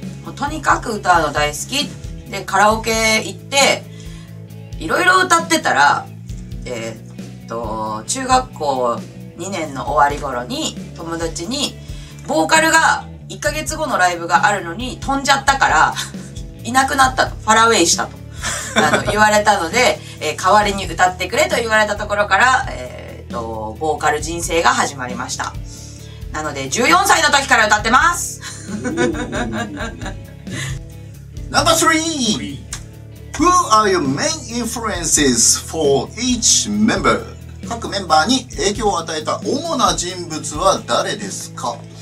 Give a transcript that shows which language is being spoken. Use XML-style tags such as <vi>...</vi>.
<ja>もうとにかく歌うの大好きで、カラオケ行っていろいろ歌ってたら、中学校2年の終わり頃に友達にボーカルが1ヶ月後のライブがあるのに飛んじゃったからいなくなったと、ファラウェイしたと言われたので、代わりに歌ってくれと言われたところから、ボーカル人生が始まりました。なので14歳の時から歌ってます。</ja> <en>Number 3 Who are your main influences for each member?</en> <ja>各メンバーに影響を与えた主な人物は誰ですか？</ja>